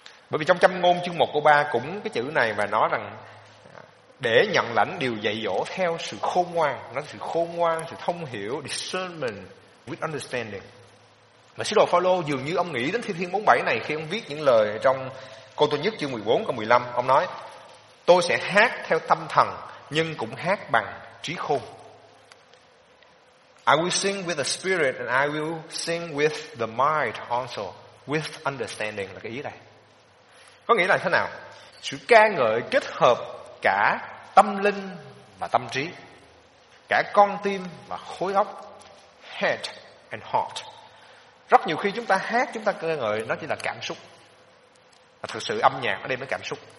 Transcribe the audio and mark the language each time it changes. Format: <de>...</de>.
<vi>Bởi vì trong châm ngôn chương 1 câu 3 cũng cái chữ này và nói rằng để nhận lãnh điều dạy dỗ theo sự khôn ngoan, nó sự khôn ngoan, sự thông hiểu,</vi> <en>discernment with understanding.</en> <vi>Và sứ đồ Phaolô dường như ông nghĩ đến Thi Thiên 47 này khi ông viết những lời trong câu thứ nhất chương 14 câu 15, ông nói: tôi sẽ hát theo tâm thần nhưng cũng hát bằng trí khôn.</vi> <en>I will sing with the spirit and I will sing with the mind also with understanding,</en> <vi>là cái ý này. Có nghĩa là thế nào? Sự ca ngợi kết hợp cả tâm linh và tâm trí, cả con tim và khối óc,</vi> <en>head and heart.</en> <vi>Rất nhiều khi chúng ta hát, chúng ta ca ngợi, nó chỉ là cảm xúc. Và thực sự âm nhạc ở đây nó cảm xúc.</vi>